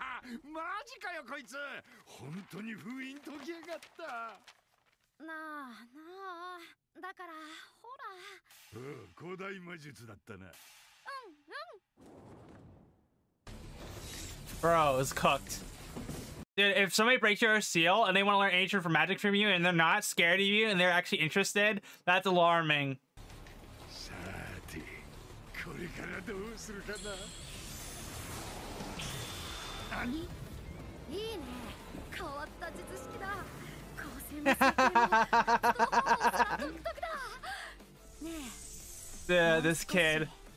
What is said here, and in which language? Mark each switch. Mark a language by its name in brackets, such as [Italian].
[Japanese] マジかよこいつ本当に封印解きやがったなあなあだからほら、うん、古代魔術だったなうんうん [English] Bro is cooked Dude if somebody breaks your seal and they want to learn ancient for magic from you and they're not scared of you and they're actually interested that's alarming [Japanese] さてこれからどうするかな何？いいね。変わった術式だ。光線の設計は独特だ。ねえ。 [English] This kid。